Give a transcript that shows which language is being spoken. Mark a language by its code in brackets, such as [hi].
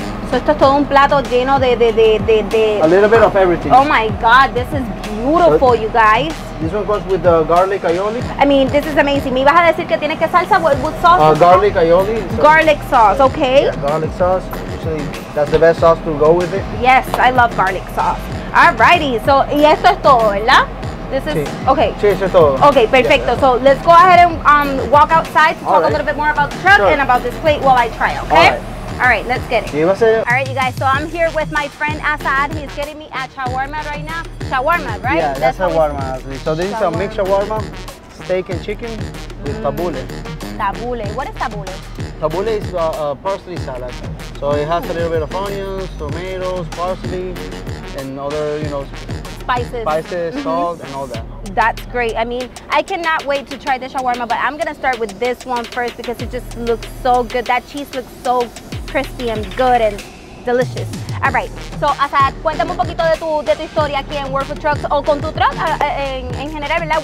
[es] So esto es todo un plato lleno de... [en] A little bit of everything. Oh my God, this is beautiful, you guys. This one goes with the garlic aioli. I mean, this is amazing. [es] Me vas a decir que tiene que salsa, [en] what sauce? Garlic aioli. So garlic sauce, okay. Yeah, garlic sauce. Actually, that's the best sauce to go with it. Yes, I love garlic sauce. Alrighty, so, [es] y esto es todo, ¿verdad? [en] This is, okay. [es] Sí, eso es todo. Okay, perfecto. [en] Yeah. So let's go ahead and walk outside to talk a little bit more about the truck and about this plate while I try, okay? Alright, let's get it. Alright, you guys, so I'm here with my friend Assad. He's getting me at shawarma right now. Shawarma, right? Yeah, that's shawarma. So this is a mixed shawarma, steak and chicken with tabbouleh. Tabbouleh. What is tabbouleh? Tabbouleh is a parsley salad. So it has a little bit of onions, tomatoes, parsley, and other, you know, spices, salt, and all that. That's great. I mean, I cannot wait to try the shawarma, but I'm going to start with this one first because it just looks so good. That cheese looks so crispy and good and delicious. All right. [es] So, Assad, cuéntame un poquito de tu historia aquí en World Food Trucks o con tu truck en general, ¿verdad?